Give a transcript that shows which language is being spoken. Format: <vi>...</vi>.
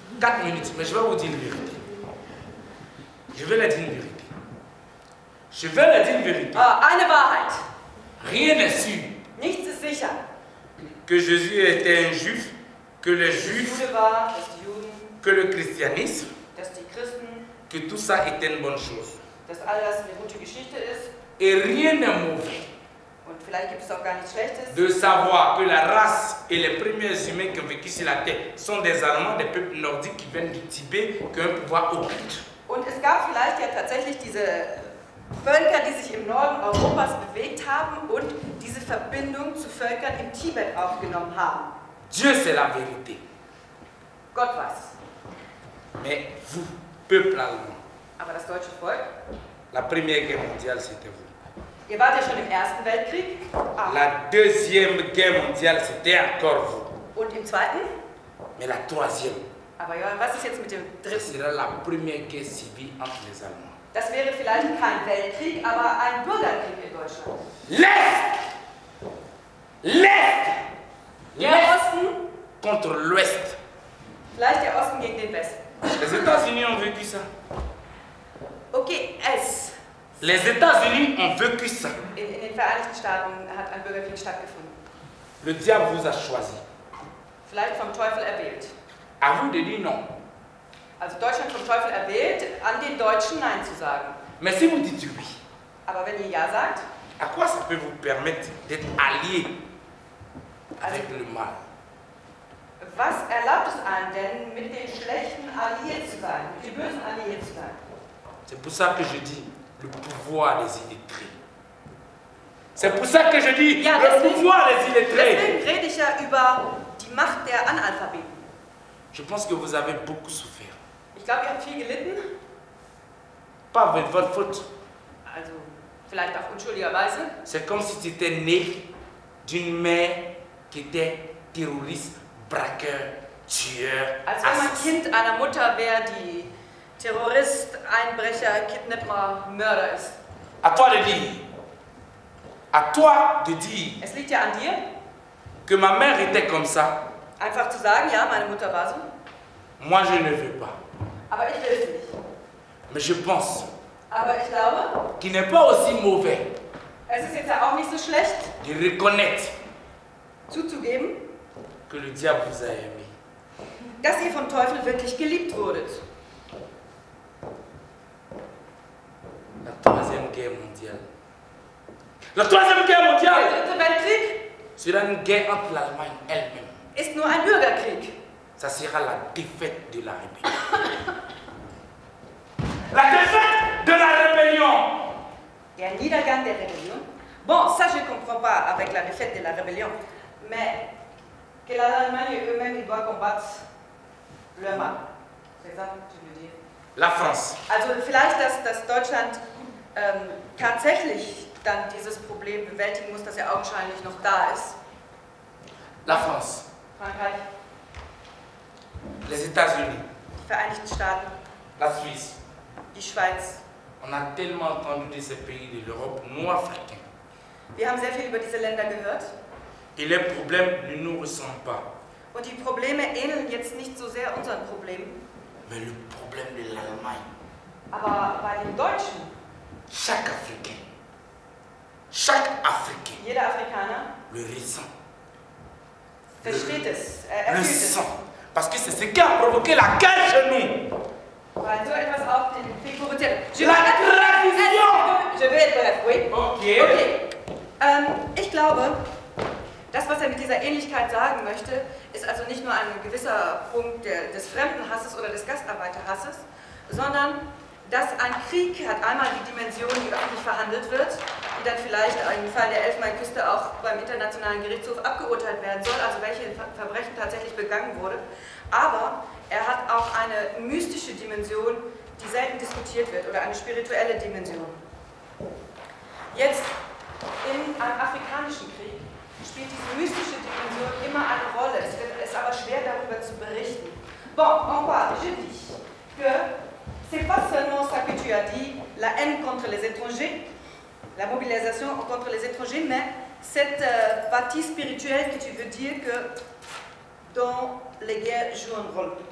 <fr>4 minutes, mais je vais vous dire une vérité. Je vais leur dire une vérité. Je vais leur dire une vérité.</fr> <de>Eine Wahrheit.</de> <fr>Rien n'est sûr.</fr> <de>Nichts ist sicher.</de> <fr>Que Jésus était un juif, que les juifs. Que le christianisme.</fr> <de>Dass die Christen,</de> <fr>que tout ça était une bonne chose.</fr> <de>Dass alles eine gute Geschichte ist.</de> <fr>Et rien n'est mauvais.</fr> <de>Und vielleicht gibt es auch gar nichts Schlechtes.</de> <fr>De savoir que la race et les premiers humains qui ont vécu sur la Terre sont des Allemands, des peuples nordiques qui viennent du Tibet, qui ont un pouvoir occulte.</fr> <de>Und es gab vielleicht ja tatsächlich diese Völker, die sich im Norden Europas bewegt haben und diese Verbindung zu Völkern im Tibet aufgenommen haben.</de> <fr>Dieu sait la vérité.</fr> <de>Gott weiß.</de> <fr>Mais vous, peuple allemand.</fr> <de>Aber das deutsche Volk?</de> <fr>La première guerre mondiale, c'était vous.</fr> <de>Ihr wart ja schon im Ersten Weltkrieg. Ah.</de> <fr>La deuxième guerre mondiale, c'était encore vous.</fr> <de>Und im Zweiten?</de> <fr>Mais la troisième.</fr> <de>Aber ja, was ist jetzt mit dem Dritten?</de> <fr>C'est la première guerre civile entre les Allemands.</fr> <de>Das wäre vielleicht kein Weltkrieg, aber ein Bürgerkrieg in Deutschland.</de> <fr>L'Est! L'Est!</fr> <de>Der Osten?</de> <fr>Contre l'Ouest.</fr> <de>Vielleicht der Osten gegen den Westen.</de> <fr>Les États-Unis ont vécu ça. Ok, S. Les États-Unis ont vécu ça.</fr> <de>In den Vereinigten Staaten hat ein Bürgerkrieg stattgefunden.</de> <fr>Le diable vous a choisi.</fr> <de>Vielleicht vom Teufel erwählt.</de> <fr>À vous de dire non.</fr> <de>Also Deutschland vom Teufel erwählt, an den Deutschen Nein zu sagen.</de> <fr>Mais si vous dites oui.</fr> <de>Aber wenn ihr Ja sagt,</de> <fr>à quoi ça peut vous permettre d'être allié avec le mal?</fr> <de>Was erlaubt es einem denn, mit den Schlechten alliiert zu sein, mit den Bösen alliiert zu sein?</de> <fr>C'est pour ça que je dis le pouvoir des illettrés. C'est pour ça que je dis</fr> <de>ja,</de> <fr>le pouvoir des illettrés.</fr> <de>Deswegen rede ich ja über die Macht der Analphabeten.</de> <fr>Je pense que vous avez beaucoup souffert.</fr> <de>Ich glaube, ihr habt viel gelitten.</de> <fr>Pas avec votre faute.</fr> <de>Also, vielleicht auch unschuldigerweise.</de> <fr>C'est comme si tu étais né d'une mère qui était terroriste, braqueur, tueur.</fr> <de>Als wenn man Kind einer Mutter wäre, die Terrorist, Einbrecher, Kidnapper, Mörder ist.</de> <fr>À toi de dire. À toi de dire.</fr> <de>Es liegt ja an dir.</de> <fr>Que ma mère était comme ça.</fr> <de>Einfach zu sagen, ja, meine Mutter war so.</de> <fr>Moi, je ne veux pas.</fr> <de>Aber ich will es nicht.</de> <fr>Mais je pense.</fr> <de>Aber ich glaube.</de> <fr>Qu'il n'est pas aussi mauvais.</fr> <de>Es ist jetzt ja auch nicht so schlecht.</de> <fr>De reconnaître.</fr> <de>Zuzugeben.</de> <fr>Que le diable vous a aimé.</fr> <de>Dass ihr vom Teufel wirklich geliebt wurdet.</de> <fr>La troisième guerre mondiale. La troisième guerre mondiale.</fr> <de>Der dritte Weltkrieg.</de> <fr>Sera une guerre entre l'Allemagne elle-même.</fr> <de>Ist nur ein Bürgerkrieg.</de> <fr>Ça sera la défaite de la République. La défaite de la rébellion.</fr> <de>Der Niedergang der Rebellion.</de> <fr>Bon, ça je comprends pas avec la défaite de la rébellion, mais que l'Allemagne eux-mêmes doit combattre le mal. C'est ça que tu veux dire? La France.</fr> <de>Also vielleicht, dass Deutschland tatsächlich dann dieses Problem bewältigen muss, das ja augenscheinlich noch da ist.</de> <fr>La France.</fr> <de>Frankreich.</de> <fr>Les États-Unis.</fr> <de>Die Vereinigten Staaten.</de> <fr>La Suisse.</fr> <de>Die Schweiz.</de> <fr>On a tellement entendu de ces pays de l'Europe non africain.</fr> <de>Wir haben sehr viel über diese Länder gehört.</de> <fr>Et les problèmes ne nous ressemblent pas.</fr> <de>Und die Probleme ähneln jetzt nicht so sehr unseren Problemen.</de> <fr>Mais le problème de l'Allemagne.</fr> <de>Aber bei den Deutschen.</de> <fr>Chaque Africain. Chaque Africain.</fr> <de>Jeder Afrikaner.</de> <fr>Le ressent.</fr> <de>Versteht es.</de> <fr>Le sent. Parce que c'est ce qui a provoqué la guerre chez nous.</fr> <de>Weil so etwas auch den Krieg provoziert.</de> <fr>La Tradition! Je vais être bref, oui. Okay. Okay.</fr> <de>Ich glaube, das, was er mit dieser Ähnlichkeit sagen möchte, ist also nicht nur ein gewisser Punkt des Fremdenhasses oder des Gastarbeiterhasses, sondern dass ein Krieg hat einmal die Dimension, die öffentlich verhandelt wird, die dann vielleicht im Fall der Elfenbeinküste auch beim Internationalen Gerichtshof abgeurteilt werden soll, also welche Verbrechen tatsächlich begangen wurde. Aber er hat auch eine mystische Dimension, die selten diskutiert wird, oder eine spirituelle Dimension. Jetzt, in einem afrikanischen Krieg, spielt diese mystische Dimension immer eine Rolle. Es wird es aber schwer, darüber zu berichten.</de> <fr>Bon, on va, je dis que c'est pas seulement ça que tu as dit, la haine contre les étrangers, la mobilisation contre les étrangers, mais cette partie spirituelle que tu veux dire que dans les guerres joue un rôle.</fr>